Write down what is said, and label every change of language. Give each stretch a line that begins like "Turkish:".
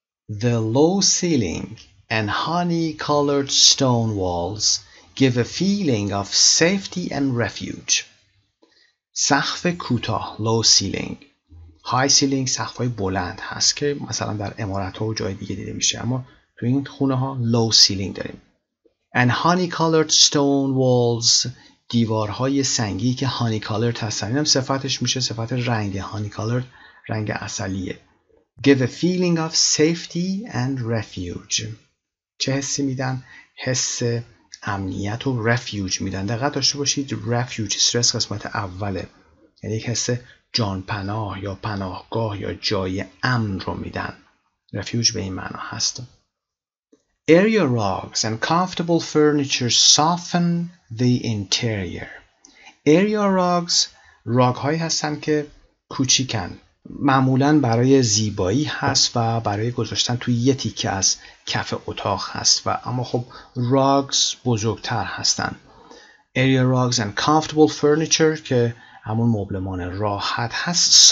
English: The low ceiling and honey colored stone walls give a feeling of safety and refuge.
Persian: سقف کوتاه، low ceiling. High ceiling سقف‌های بلند هست که مثلا در عمارت‌ها و جای دیگه دیده میشه، اما تو این خونه ها low ceiling داریم. And honey colored stone walls، دیوارهای سنگی که honey colored هستن، اینم صفتش میشه، صفت رنگ honey colored، رنگ عسلیه.
English: Give a feeling of safety and refuge.
Persian: چه حسی میدن؟ حس امنیت و رفیوج میدن. دقت داشته باشید رفیوج استرس قسمت اوله، یعنی حس جان پناه یا پناهگاه یا جای امن رو میدن. رفیوج به این معنا هست.
English: Area rugs and comfortable furniture soften the interior.
Persian: Area rugs راگ هایی هستن که کوچیکن، معمولا برای زیبایی هست و برای گذاشتن توی یه تیکه از کف اتاق هست، و اما خب راگز بزرگتر هستن.
English: Area rugs and comfortable furniture که همون مبلمان راحت هست.